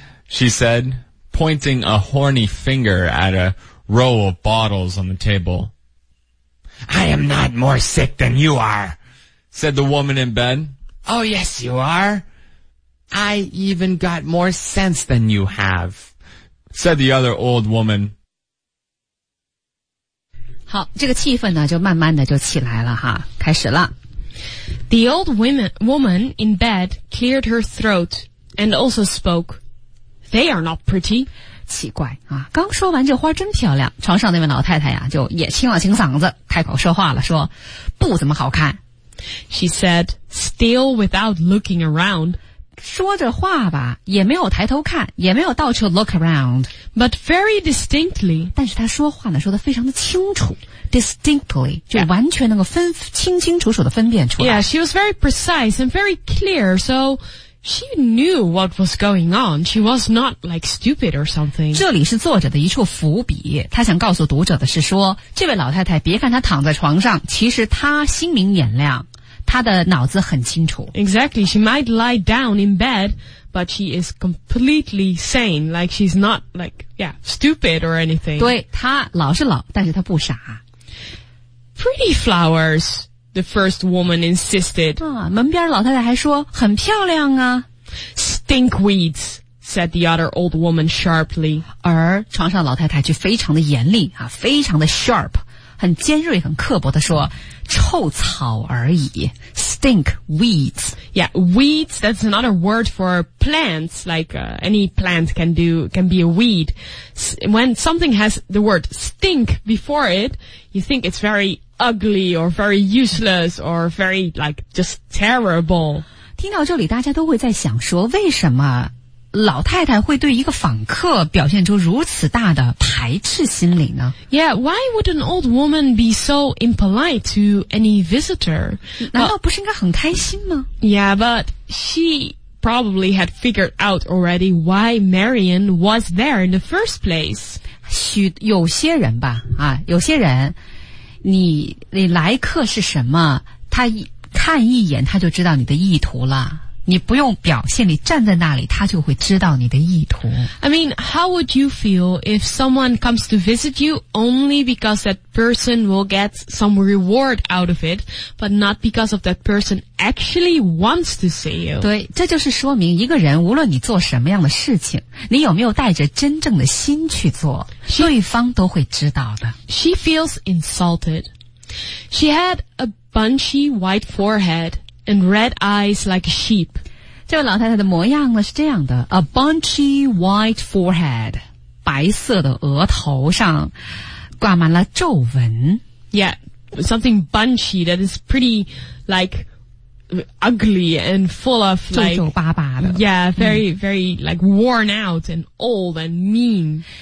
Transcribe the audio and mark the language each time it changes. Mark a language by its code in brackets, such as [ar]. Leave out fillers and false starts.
[en] She said, pointing a horny finger at a row of bottles on the table. I am not more sick than you are, said the woman in bed. Oh, yes, you are. I even got more sense than you have, said the other old woman. [zh] 好，这个气氛呢，就慢慢的就起来了哈，开始了。 [en] The old woman in bed cleared her throat and also spoke. They are not pretty. [zh] 奇怪啊，刚说完这花真漂亮，床上那位老太太呀，就也清了清嗓子，开口说话了，说不怎么好看。 [en] She said, still without looking around. [zh] 说着话吧，也没有抬头看，也没有到处 [en] look around. But very distinctly. [zh] 但是他说话呢，说得非常的清楚。 [en] Distinctly. [zh] 就完全能够分、 [en] yeah. [zh] 清清楚楚地分辨出来。 [en] Yeah, she was very precise and very clear, so she knew what was going on. She was not like stupid or something. [zh] 这里是作者的一处伏笔。他想告诉读者的是说，这位老太太别看她躺在床上，其实她心明眼亮。她的脑子很清楚。 [en] Exactly, she might lie down in bed, but she is completely sane, like she's not, like, yeah, stupid or anything. [zh] 对,她老是老,但是她不傻。 [en] Pretty flowers, the first woman insisted. [zh] 啊,门边老太太还说,很漂亮啊。 [en] Stinkweeds, said the other old woman sharply. [zh] 而床上老太太却非常的严厉,啊,非常的 [en] sharp, [zh] 很尖锐,很刻薄地说,臭草而已 , [en] stink, weeds. Yeah, weeds, that's another word for plants, like, any plant can be a weed. When something has the word stink before it, you think it's very ugly or very useless or very, like, just terrible. [zh] 听到这里大家都会在想说为什么老太太会对一个访客表现出如此大的排斥心理呢? [en] Yeah, why would an old woman be so impolite to any visitor? [zh] 难道不是应该很开心吗? [en] Yeah, but she probably had figured out already why Marion was there in the first place. [zh] 有些人吧,啊,有些人,你来客是什么,他看一眼他就知道你的意图了。你不用表现，你站在那里，他就会知道你的意图。 [en] I mean, how would you feel if someone comes to visit you only because that person will get some reward out of it, but not because of that person actually wants to see you? [zh] 对，这就是说明一个人，无论你做什么样的事情，你有没有带着真正的心去做，对方都会知道的。 [en] She feels insulted. She had a bunchy white forehead. and red eyes like a sheep. [zh] 这位老太太的模样呢是这样的 , [en] a bunchy white forehead, [zh] 白色的额头上挂满了皱纹。 [en] Yeah, something bunchy that is pretty like ugly and full of like, [zh] 皱皱巴巴的。 [en] Yeah, very, very like worn out and old and mean.